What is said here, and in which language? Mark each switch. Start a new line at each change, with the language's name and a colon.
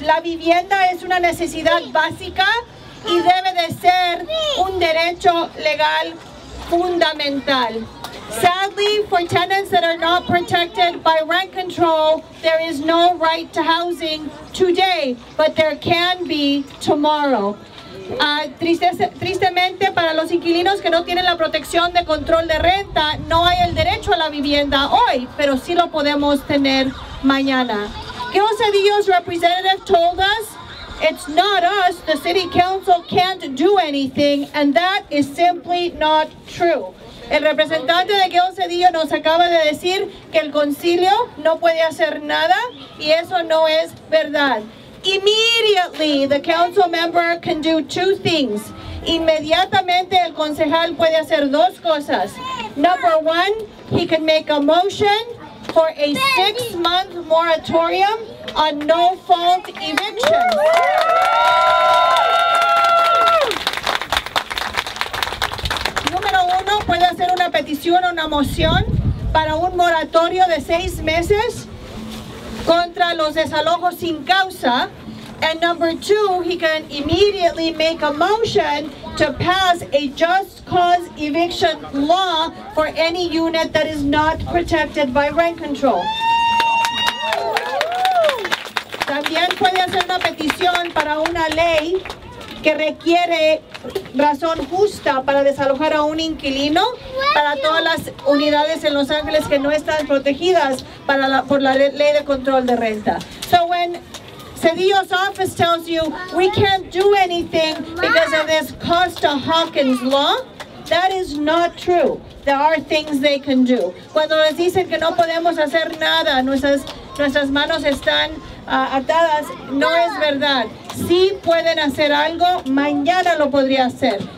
Spanish: La vivienda es una necesidad básica y debe de ser un derecho legal fundamental.
English: Sadly, for tenants that are not protected by rent control, there is no right to housing today, but there can be tomorrow.
Spanish: Tristemente, para los inquilinos que no tienen la protección de control de renta, no hay el derecho a la vivienda hoy, pero sí lo podemos tener mañana.
English: Gil Cedillo's representative told us, it's not us, the city council can't do anything, and that is simply not true.
Spanish: El representante de Gil Cedillo nos acaba de decir que el concilio no puede hacer nada, y eso no es verdad.
English: Immediately, the council member can do 2 things.
Spanish: Inmediatamente, el concejal puede hacer 2 cosas.
English: Number 1, he can make a motion for a 6-month moratorium on no-fault evictions.
Spanish: Número 1, puede hacer una petición o una moción para un moratorio de 6 meses contra los desalojos sin causa.
English: And number 2, he can immediately make a motion to pass a just cause eviction law for any unit that is not protected by rent control.
Spanish: También puede hacer una petición para una ley que requiere razón justa para desalojar a un inquilino para todas las unidades en Los Ángeles que no están protegidas por la ley de control de renta.
English: So when Cedillo's office tells you we can't do anything because of this Costa Hawkins law, that is not true. There are things they can do.
Spanish: Cuando les dicen que no podemos hacer nada, nuestras manos están atadas, no es verdad. Sí pueden hacer algo, mañana lo podría hacer.